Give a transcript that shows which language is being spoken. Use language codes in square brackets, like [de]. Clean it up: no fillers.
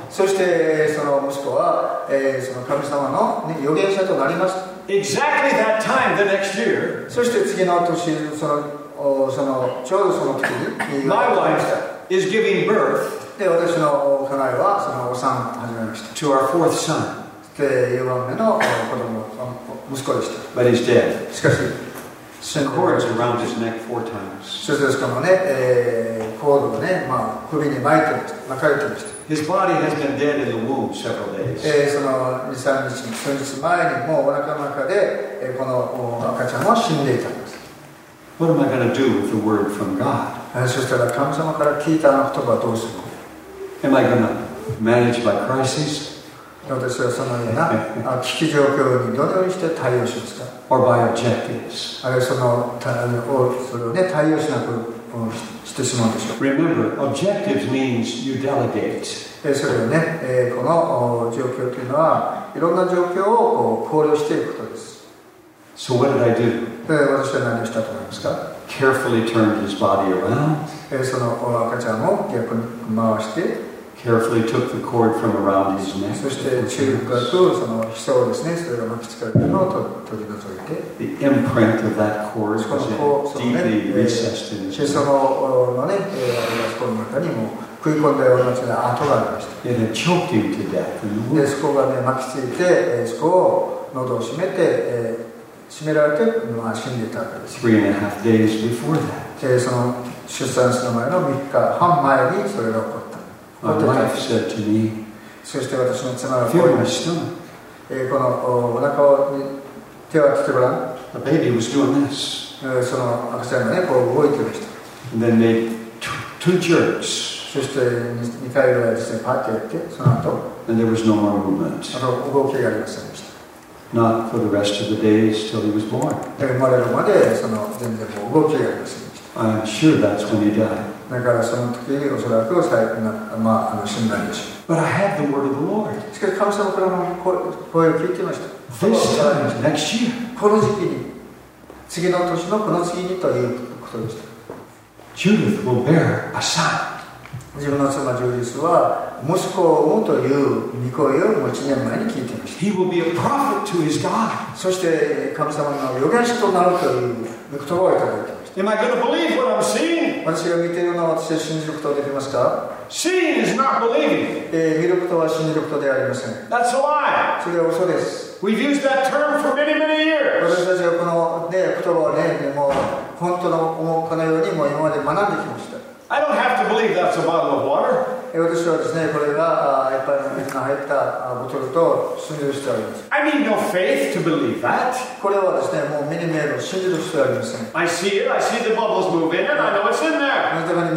[ja] そしてその息子は、その神様の、ね、預言者となります。 [en] Exactly that time, the next year. [ja] そして次の年、そのちょうどその時に、 [en] My wife is giving birth. [ja] で、私の家内はそのお産を始めました。 [en] To our fourth son. [ja] で4番目の子供の息子でした。 [en] But he's dead. [ja] しかし、 [en] cords around his neck four times. [ja] そしてしかもね、コードをね、まあ、首に巻いて、巻かれてました。 [en] His body has been dead in the womb several days. [ja] その2、3日、数日前にもうお腹の中で、この赤ちゃんは死んでいたんです。 [en] What am I going to do with the word from God? [ja] そしたら神様から聞いた言葉はどうするの? [en] Am I going to manage my crisis? [ja] 私はそのような危機状況にどのようにして対応しますか [en] Or by objectives. [ja] あれそれを、ね、対応しなくしてしまうでしょう [en] Remember, objectives means you delegate. [ja] それはね、この状況というのはいろんな状況をこう考慮していくことです [en] So what did I do? [ja] 私は何をしたと思いますか [en] Carefully turned his body around. [ja] その赤ちゃんを逆に回して [en] Carefully took the cord from around his neck. [ja] そして注意深くその被創ですね。それが巻きつかれたのを取り除いて。 [en] The imprint of that cord was deeply recessed in his neck. [ja] そこの中にも食い込んだような跡がありました。 [en] It had choked him to death. [ja] でそこがね巻きついて、そこを喉を締められて、まあ、死んでいたわけです。 [en] Three and a half days before that. [ja] でその出産する前の3日半前にそれが起こった。 [en] My wife said to me, [ja] そして私の妻はこう言いました。このお腹に手を当ててごらん。 [en] The baby was doing this. [ja] その赤ちゃんがね、こう動いてました。 [en] And then made two jerks. [ja] そして2回ぐらいですね、パッとやって、その後。 [en] And there was no more movement. [ja] あの動きがありませんでした。 [en] Not for the rest of the days till he was born. [ja] 生まれるまで、その全然こう動きがありませんでした。 [en] I'm sure that's when he died. [ja] だからその時おそらく最後の、まあ、死んだんでしょう。 [en] But I have the word of the Lord. [ja] しかし神様からも声を聞いてました。 [en] This time, next year. [ja] この時期に、次の年のこの次にということでした。 [en] Judith will bear a son. [ja] 自分の妻ジュディスは息子を産むという御声をもう1年前に聞いていました。 [en] He will be a prophet to his God. [ja] そして神様の預言者となるという御言葉をいただいた。 [en] Am I going to believe what I'm seeing? [ja] 私が見ているのは私は信じることができますか [en] Seeing is not believing. [ja] 見ることは信じることではありません。 [en] That's a lie. [ja] それは嘘です。 [en] We've used that term for many, many years. [ja] 私たちはこの、ね、言葉を、ね、もう本当の思うかのようにもう今まで学んできました。 [en] I don't have to believe that's a bottle of water. [ja] 私はですね、これがやっぱり水が入ったボトルと信じる必要があります。 [en] I need no faith to believe that. [ja] これはですね、もう目に見える信じる必要ありません。 [en] I see it, I see the bubbles move in, and I know it's in there.